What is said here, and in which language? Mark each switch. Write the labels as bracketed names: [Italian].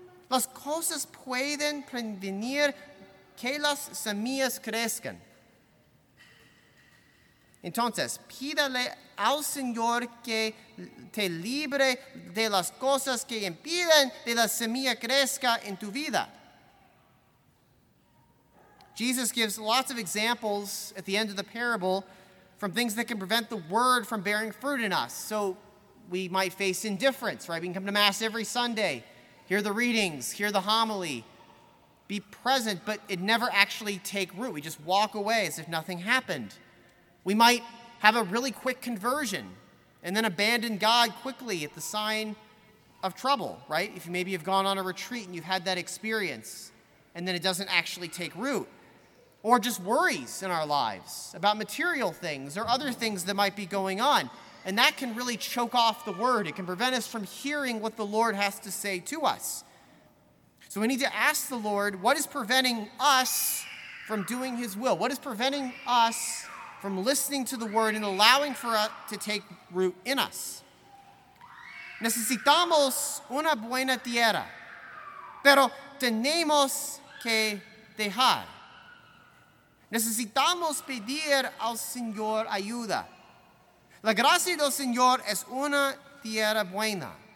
[Spanish] Las cosas pueden prevenir que las semillas crezcan. Entonces, pídale al Señor que te libre de las cosas que impiden que la semilla crezca en tu vida. [English] Jesus gives lots of examples at the end of the parable from things that can prevent the word from bearing fruit in us. So we might face indifference, right? We can come to Mass every Sunday, hear the readings, hear the homily, be present, but it never actually take root. We just walk away as if nothing happened. We might have a really quick conversion and then abandon God quickly at the sign of trouble, right? If you maybe have gone on a retreat and you've had that experience and then it doesn't actually take root. Or just worries in our lives about material things or other things that might be going on. And that can really choke off the word. It can prevent us from hearing what the Lord has to say to us. So we need to ask the Lord, what is preventing us from doing his will? What is preventing us from listening to the word and allowing for it to take root in us? [Spanish] Necesitamos una buena tierra, pero tenemos que dejar. Necesitamos pedir al Señor ayuda. La gracia del Señor es una tierra buena.